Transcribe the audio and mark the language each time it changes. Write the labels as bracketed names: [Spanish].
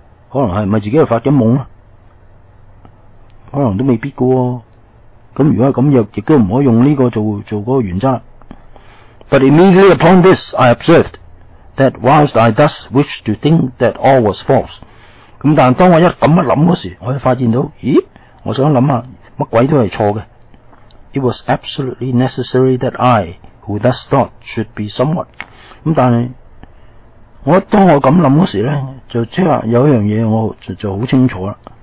[Cantonese] 可能係咪自己喺度發緊夢啦，可能都未必㗎喎。咁如果咁又亦都唔可以用呢個做嗰個原則。 [English] But immediately upon this, I observed that whilst I thus wished to think that all was false. [Cantonese] 咁但當我一咁一諗嗰時，我就發現到咦，我想諗下乜鬼都係錯嘅。 [English] It was absolutely necessary that I, who thus thought, should be somewhat. [Cantonese] 咁但係我當我咁諗嗰時呢，就即係有一樣嘢我就好清楚啦。